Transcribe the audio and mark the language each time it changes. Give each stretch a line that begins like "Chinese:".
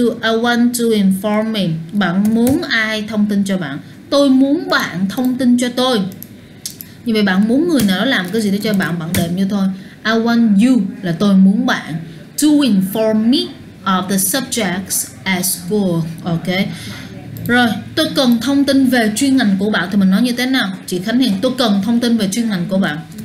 English: I want to inform me.
Vietnamese: Bạn muốn ai thông tin cho bạn? Tôi muốn bạn thông tin cho tôi. Như vậy bạn muốn người nào đó làm cái gì đó cho bạn, bạn đềm như thôi.
English: I want you
Vietnamese: là tôi muốn bạn
English: to inform me of the subjects at school, ok.
Vietnamese: Rồi, tôi cần thông tin về chuyên ngành của bạn thì mình nói như thế nào? Chị Khánh Hiền, tôi cần thông tin về chuyên ngành của bạn.